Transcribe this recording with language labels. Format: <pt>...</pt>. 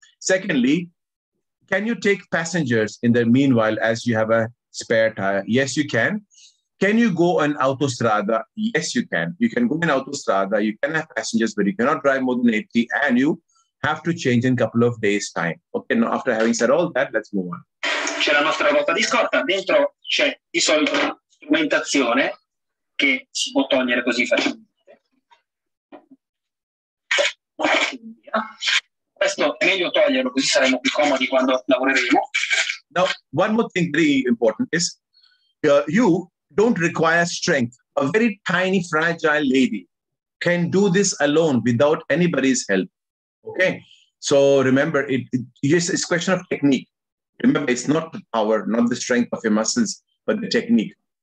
<en>Secondly, can you take passengers in the meanwhile as you have a spare tire? Yes, you can. Can you go on autostrada? Yes, you can. You can go in autostrada. You can have passengers, but you cannot drive more than 80, and you have to change in a couple of days' time. Okay. Now, after having said all that, let's move on.</en> <it>C'è la nostra ruota di scorta. Dentro c'è di solito strumentazione che si può togliere così facilmente. Questo è meglio toglierlo, così saremo più comodi quando lavoreremo.</it> <en>Now, one more thing very important is you don't require strength. A very tiny, fragile lady can do this alone without anybody's help. Okay? So remember, it's a question of technique. Remember, it's not the power, not the strength of your muscles, but the technique.</en>